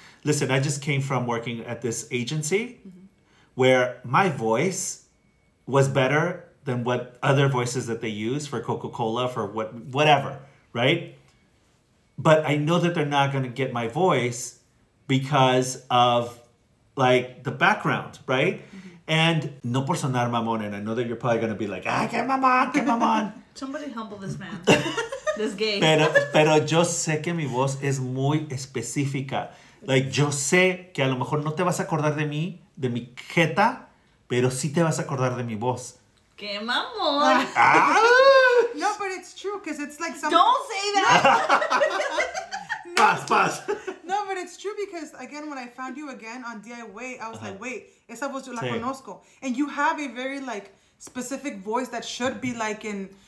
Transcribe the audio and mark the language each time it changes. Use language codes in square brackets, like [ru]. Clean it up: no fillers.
[en] Listen, I just came from working at this agency where my voice was better than what other voices that they use for Coca-Cola, for whatever, right? But I know that they're not going to get my voice because of, like, the background, right? Mm-hmm. And [es] no por sonar mamón, [en] and I know that you're probably going to be like, ah, [es] que mamón. [en] Somebody humble this man. This gay. [es] Pero yo sé que mi voz es muy específica. [en] Like, [es] yo sé que a lo mejor no te vas a acordar de mí, de mi jeta, pero sí te vas a acordar de mi voz. Que mamón. [en] No, but it's true, because it's like some... Don't say that. Pass. No, but it's true, because again, when I found you again on DIY, I was like, wait, [es] esa voz yo la conozco. [en] And you have a very, like, specific voice that should be, like, in...